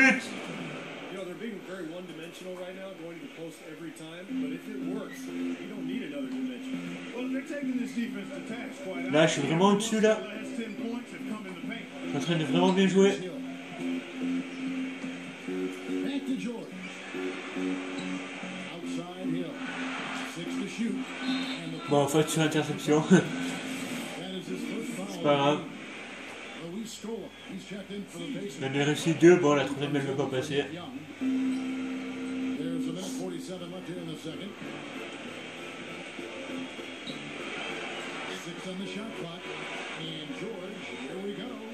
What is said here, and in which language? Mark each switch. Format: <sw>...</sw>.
<en>You know, they're being very one-dimensional right now, going to the post every time. But if it works, you don't need another dimension. Well, they're taking this defense to task quite often.</en> <fr>Là, je suis vraiment au-dessus, là. Je suis en train de vraiment bien jouer.</fr> <en>Back to George. Outside Hill. Six to shoot.</en> <fr>Bon, en fait, sur interception. Il en a réussi deux, bon la troisième elle ne peut pas passer.</fr> <en>Six on the shot clock. And George, here we go.</en>